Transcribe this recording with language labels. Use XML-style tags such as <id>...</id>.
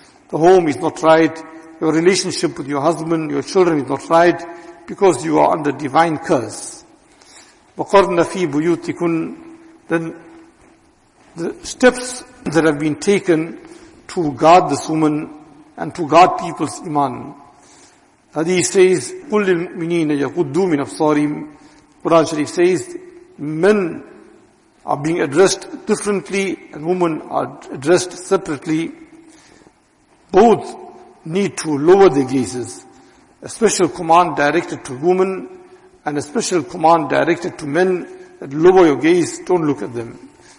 <en>The home is not right. Your relationship with your husband, your children is not right, because you are under divine curse.</en> <ar>وَقَرْنَ فِي بُيُوتِكُنْ.</ar> <en>Then the steps that have been taken to guard this woman and to guard people's iman. Hadith says,</en> <ar>قُلْ لِلْمُؤْمِنِينَ يَقُدُّوا مِنْ أَبْصَارِهِمْ.</ar> <en>Quran Sharif says, men are being addressed differently and women are addressed separately. Both need to lower their gazes. A special command directed to women, and a special command directed to men, that lower your gaze, don't look at them.</en>